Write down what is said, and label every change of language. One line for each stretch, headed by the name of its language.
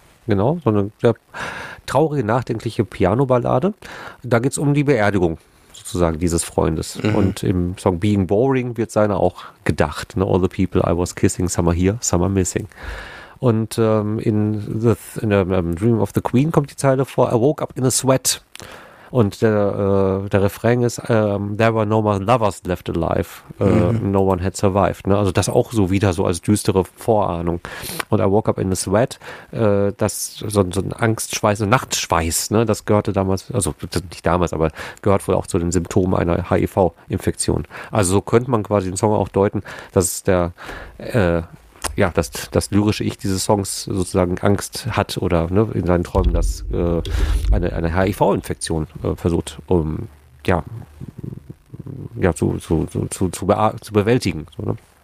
German: Genau, so eine sehr traurige, nachdenkliche Piano-Ballade. Da geht es um die Beerdigung sozusagen dieses Freundes. Mhm. Und im Song Being Boring wird seiner auch gedacht. Ne?
English: All the people I was kissing, some are here, some are missing.
German: Und in Dream of the Queen kommt die Zeile vor,
English: I woke up in a sweat.
German: Und der Refrain ist,
English: there were no more lovers left alive, no one had survived.
German: Ne? Also das auch so wieder so als düstere Vorahnung. Und
English: I woke up in a sweat,
German: das so ein Angstschweiß, ein Nachtschweiß, ne? Das gehörte damals, also nicht damals, aber gehört wohl auch zu den Symptomen einer HIV-Infektion. Also so könnte man quasi den Song auch deuten, dass der, ja, dass das lyrische Ich dieses Songs sozusagen Angst hat oder ne, in seinen Träumen, dass eine HIV-Infektion versucht, zu bewältigen. So, ne?